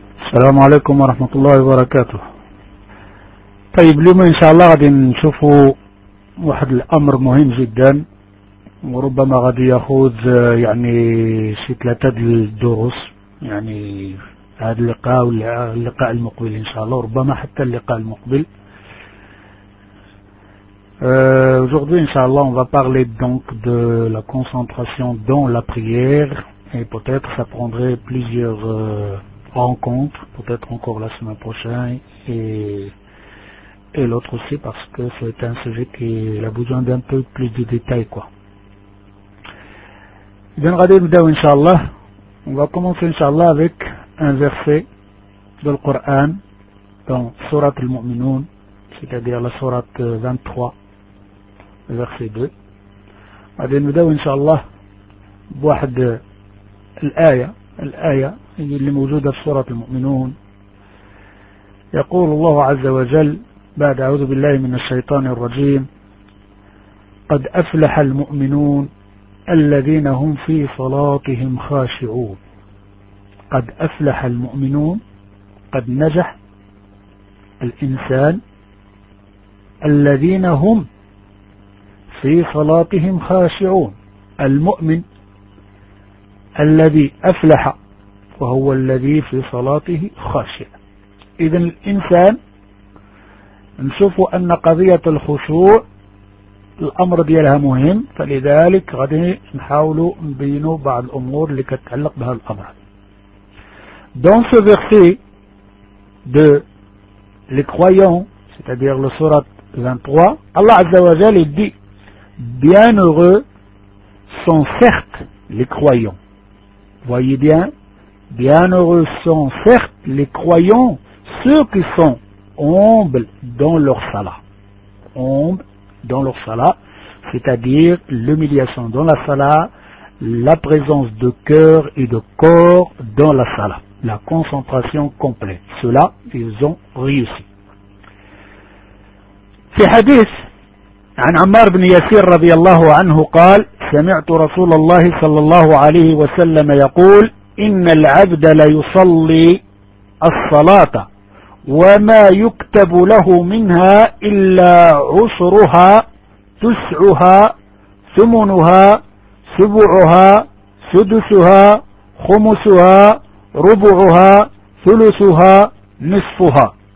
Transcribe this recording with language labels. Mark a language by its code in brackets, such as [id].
[ar] السلام عليكم ورحمة الله وبركاته. طيب اليوم إن شاء الله غادي نشوفوا واحد الأمر مهم جدا، وربما غادي يأخذ يعني شي ثلاثة الدروس يعني هذا اللقاء واللقاء المقبل إن شاء الله، وربما حتى اللقاء المقبل. [fr] Aujourd'hui, Inch'Allah, on va parler donc de la concentration dans la prière, et peut-être ça prendrait plusieurs rencontres, peut-être encore la semaine prochaine, et l'autre aussi, parce que c'est un sujet qui a besoin d'un peu plus de détails, quoi. Bien, regardez, Inch'Allah, on va commencer, Inch'Allah, avec un verset dans le Coran, dans Surat al-Mu'minun, c'est-à-dire la Surat 23. Verset 2. Nous allons, Inch'Allah, voir l'aïa, qui est présente dans la Sourate al-Mu'minun. Il dit Allah Azza wa Jal, [ar] بعد أعوذ بالله من الشيطان الرجيم, قد أفلح المؤمنون الذين هم في صلاتهم خاشعون. قد أفلح المؤمنون, قد نجح الإنسان الذين هم في صلاتهم خاشعون. المؤمن الذي أفلح وهو الذي في صلاته خاشع. إذن الإنسان نشوف أن قضية الخشوع الأمر ديالها مهم، فلذلك غادي نحاول نبين بعض الأمور اللي كتعلق بها الأمر. [fr] Dans ce verset de les croyants, c'est-à-dire le surat 23, Allah عز وجل dit: bienheureux sont certes les croyants. Voyez bien, bienheureux sont certes les croyants, ceux qui sont humbles dans leur salah. Humbles dans leur salah, c'est-à-dire l'humiliation dans la salah, la présence de cœur et de corps dans la salah, la concentration complète. Cela, ils ont réussi. Ces hadiths [ar] عن عمار بن ياسير رضي الله عنه قال: سمعت رسول الله صلى الله عليه وسلم يقول: إن العبد ليصلي الصلاة وما يكتب له منها إلا عشرها تسعها ثمنها سبعها سدسها خمسها ربعها ثلثها نصفها.